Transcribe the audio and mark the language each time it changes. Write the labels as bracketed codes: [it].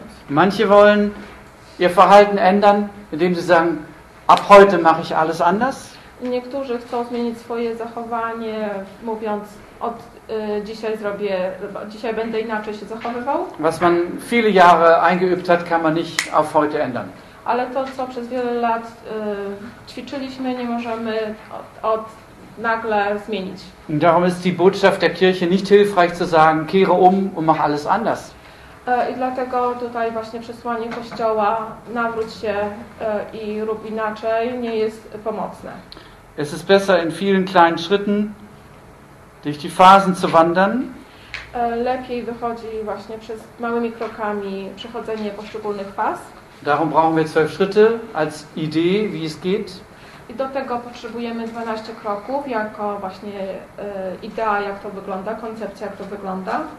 [de] Manche wollen ihr Verhalten ändern, indem sie sagen, ab heute mache ich alles anders. [pl] Niektórzy chcą zmienić swoje zachowanie, mówiąc, od dzisiaj zrobię, dzisiaj będę inaczej się zachowywał. [de] Was man viele Jahre eingeübt hat, kann man nicht auf heute ändern. [pl] Ale to, co przez wiele lat ćwiczyliśmy, nie możemy od nagle zmienić. [de] Darum ist die Botschaft der Kirche nicht hilfreich zu sagen, kehre um und mach alles anders. [pl] I dlatego tutaj właśnie przesłanie Kościoła, nawróć się i rób inaczej, nie jest pomocne. [de] Es ist besser in vielen kleinen Schritten durch die Phasen zu wandern. [pl] Lepiej wychodzi właśnie przez małymi krokami przechodzenie poszczególnych faz. [de] Darum brauchen wir 12 Schritte als Idee, wie es geht. [pl] I do tego potrzebujemy 12 kroków jako właśnie idea, jak to wygląda, koncepcja, jak to wygląda.